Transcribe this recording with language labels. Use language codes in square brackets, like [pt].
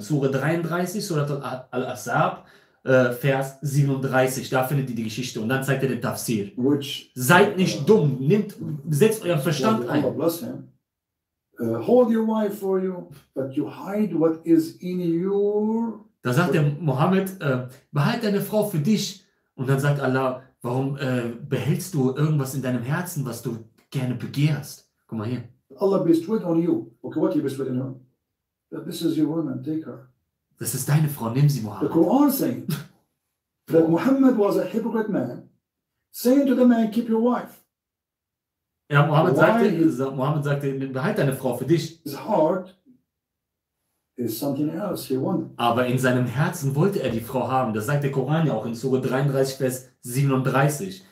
[de] Sure 33, Surat al-Ahzab, Vers 37. Da findet ihr die Geschichte. Und dann zeigt ihr den Tafsir. [en] Which, [de] seid nicht dumm. Nehmt, setzt euren Verstand ein. [en] Hold your wife for you, but you hide what is in your... [de] Da sagt der Mohammed, behalte deine Frau für dich. Und dann sagt Allah, warum behältst du irgendwas in deinem Herzen, was du gerne begehrst? Guck mal hier. [en] Allah bestowed on you. Okay, what he bestowed on you? That this is your woman, take her. [de] Das ist deine Frau, nimm sie, Muhammad. [en] The Quran saying that Muhammad was a hypocrite man, saying to the man, keep your wife. [de] Ja, Muhammad sagte, behalte deine Frau für dich. [en] His heart is something else he wanted. [de] Aber in seinem Herzen wollte er die Frau haben. Das sagt der Koran ja auch in Sure 33, Vers 37.